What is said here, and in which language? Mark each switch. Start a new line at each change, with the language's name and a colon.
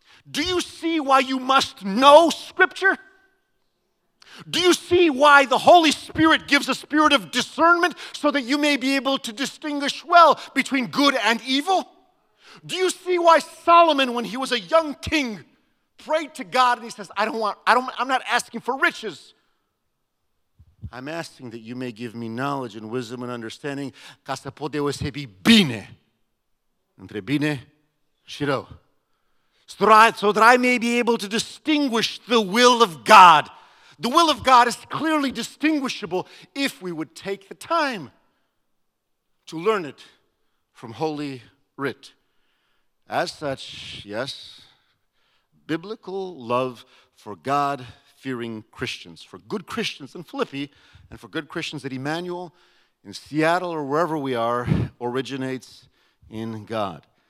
English: Do you see why you must know Scripture? Do you see why the Holy Spirit gives a spirit of discernment so that you may be able to distinguish well between good and evil? Do you see why Solomon, when he was a young king, prayed to God and he says, I'm not asking for riches. I'm asking that you may give me knowledge and wisdom and understanding.
Romanian: Ca să pot deosebi bine între bine și rău.
English: So that I may be able to distinguish the will of God. The will of God is clearly distinguishable if we would take the time to learn it from Holy Writ. As such, yes, biblical love for God-fearing Christians, for good Christians in Philippi, and for good Christians at Emmanuel, in Seattle, or wherever we are, originates in God.